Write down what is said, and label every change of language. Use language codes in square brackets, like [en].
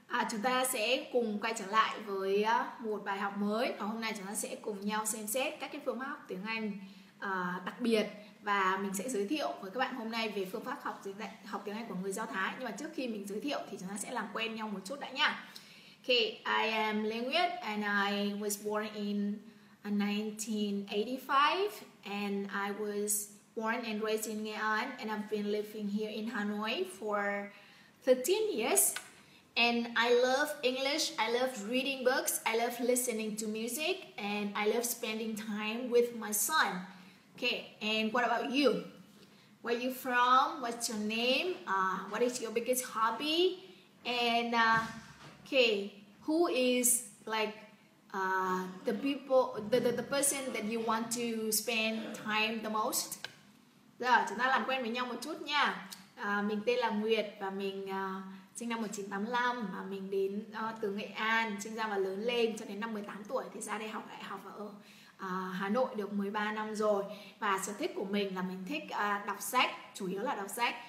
[vi] Chúng ta sẽ cùng quay trở lại với một bài học mới. Và hôm nay chúng ta sẽ cùng nhau xem xét các cái phương pháp học tiếng Anh đặc biệt. Và mình sẽ giới thiệu với các bạn hôm nay về phương pháp học tiếng Anh của người Do Thái. Nhưng mà trước khi mình giới thiệu thì chúng ta sẽ làm quen nhau một chút đã nha. [en] Okay, I am Lê Nguyệt and I was born in 1985 and I was born and raised in Nghệ An and I've been living here in Hanoi for 13 years. And I love English, I love reading books, I love listening to music and I love spending time with my son. Okay, and what about you? Where are you from? What's your name? What is your biggest hobby? And okay, who is like the person that you want to spend time the most? [vi] Giờ chúng ta làm quen với nhau một chút nha. Mình tên là Nguyệt và mình sinh năm 1985 và mình đến từ Nghệ An, sinh ra và lớn lên cho đến năm 18 tuổi thì ra đây học đại học ở Hà Nội được 13 năm rồi. Và sở thích của mình là mình thích đọc sách, chủ yếu là đọc sách.